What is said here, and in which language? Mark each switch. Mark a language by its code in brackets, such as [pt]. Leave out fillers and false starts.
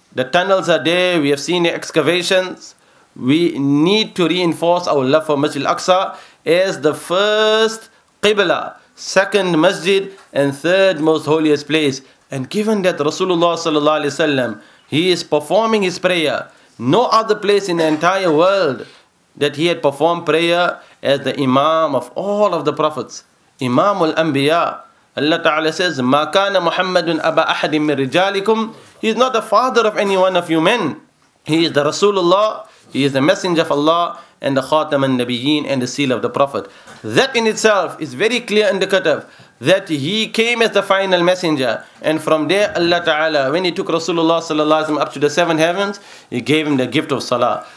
[en] The tunnels are there. We have seen the excavations. We need to reinforce our love for Masjid al-Aqsa as the first Qibla, second Masjid, and third most holiest place. And given that Rasulullah sallallahu alaihi wasallam, he is performing his prayer, no other place in the entire world that he had performed prayer as the Imam of all of the Prophets, Imamul Anbiya. Allah Ta'ala says, [ar] مَا كَانَ مُحَمَّدٌ أَبَا أَحَدٍ مِنْ رِجَالِكُمْ. [en] He is not the father of any one of you men. He is the Rasulullah, he is the Messenger of Allah, and the Khatam al-Nabiyyin, and the seal of the Prophet. That in itself is very clear indicative that he came as the final messenger. And from there, Allah Ta'ala, when he took Rasulullah sallallahu alaihi wasallam up to the seven heavens, he gave him the gift of Salah.